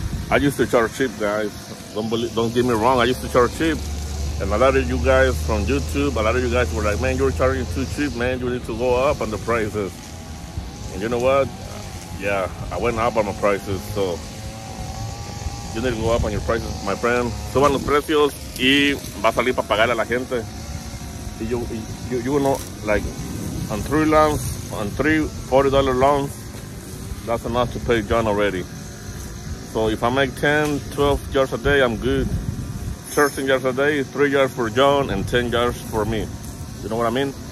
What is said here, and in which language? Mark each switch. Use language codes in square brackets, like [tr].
[en] I used to charge cheap, guys. Don't get me wrong, I used to charge cheap. And a lot of you guys from YouTube, a lot of you guys were like, man, you're charging too cheap, man. You need to go up on the prices. And you know what? Yeah, I went up on my prices. So you need to go up on your prices, my friend. [es] Suban los precios y va a salir para pagar a la gente. [en] You know, like on three loans, on three $40 loans, that's enough to pay John already. So if I make 10, 12 jars a day, I'm good. 13 jars a day, 3 jars for John, and 10 jars for me. You know what I mean?